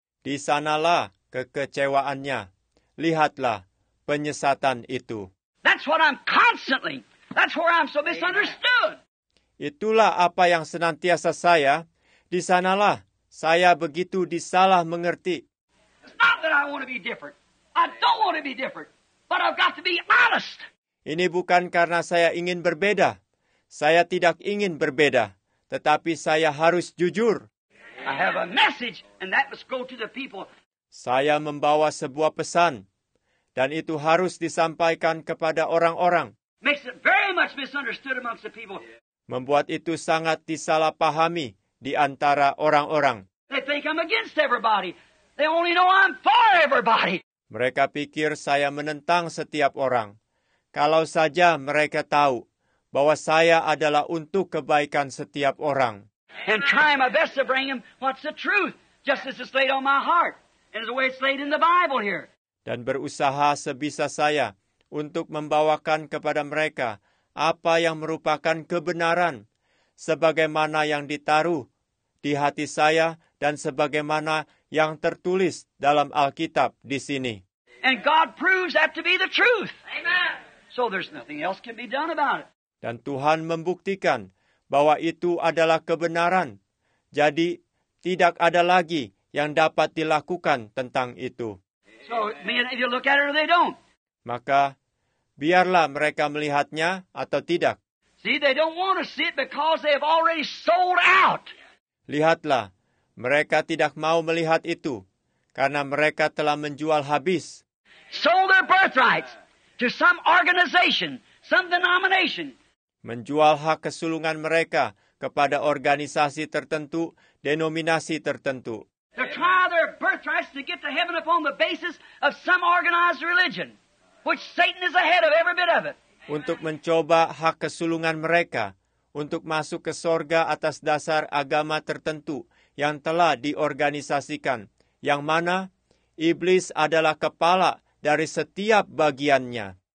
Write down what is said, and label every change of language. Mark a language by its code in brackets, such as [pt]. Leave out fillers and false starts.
[id] Di sanalah kekecewaannya. Lihatlah penyesatan itu. [en] That's what I'm constantly. That's where I'm so misunderstood. [id] Itulah apa yang senantiasa saya. Di sanalah saya begitu disalah mengerti. [en] It's not that I want to be different. I don't want to be different. But I've got to be honest. [id] Ini bukan karena saya ingin berbeda. Saya tidak ingin berbeda, tetapi saya harus jujur. [en] I have a message, and that must go to the people. [id] Saya membawa sebuah pesan, dan itu harus disampaikan kepada orang-orang. [en] Makes it very much misunderstood amongst the people. [id] Membuat itu sangat disalahpahami di antara orang-orang. [en] They think I'm against everybody. They only know I'm for everybody. [id] Mereka pikir saya menentang setiap orang. Kalau saja mereka tahu bahwa saya adalah untuk kebaikan setiap orang. [en] And try my best to bring him what's the truth, just as it's laid on my heart, and the way it's laid in the Bible here. [id] Dan berusaha sebisa saya untuk membawakan kepada mereka apa yang merupakan kebenaran, sebagaimana yang ditaruh di hati saya dan sebagaimana yang tertulis dalam Alkitab di sini. [en] And God proves that to be the truth. Amen. So there's nothing else can be done about it. [id] Dan Tuhan membuktikan bahwa itu adalah kebenaran. Jadi, tidak ada lagi yang dapat dilakukan tentang itu. [en] So, if you look at it or they don't. [id] Maka, biarlah mereka melihatnya atau tidak. [en] See, they don't want to see it because they have already sold out. [id] Lihatlah, mereka tidak mau melihat itu karena mereka telah menjual habis. [en] Sold their birthrights to some organization, some denomination. [id] Menjual hak kesulungan mereka kepada organisasi tertentu, denominasi tertentu. [en] They're trying their birthrights to get to heaven upon the basis of some organized religion, which Satan is ahead of every bit of it. [id] Untuk mencoba hak kesulungan mereka, untuk masuk ke sorga atas dasar agama tertentu yang telah diorganisasikan, yang mana iblis adalah kepala dari setiap bagiannya.